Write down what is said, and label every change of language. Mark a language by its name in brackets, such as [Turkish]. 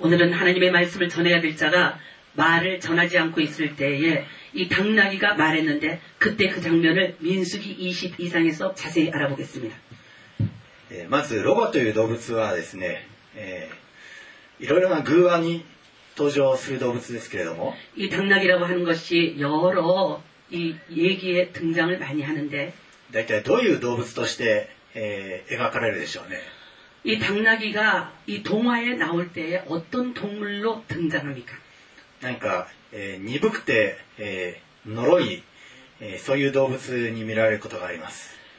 [Korean] 오늘은하나님의말씀을전해야될자가말을전하지않고있을때에이당나귀가말했는데그때그장면을민수기20이상에서자세히알아보겠습니다。 [Japanese] まずロバという動物はですね、いろいろな偶話に登場する動物ですけれども、 [Korean] 이당나귀라고하는것이여러이얘기에등장을많이하는데 [Japanese] 大体どういう動物として描かれるでしょうね。 [Korean] 이당나귀가이동화에나올때에어떤동물로등장합니까？ [Japanese] なんか、鈍くて、呪い、そういう動物に見られることがあります。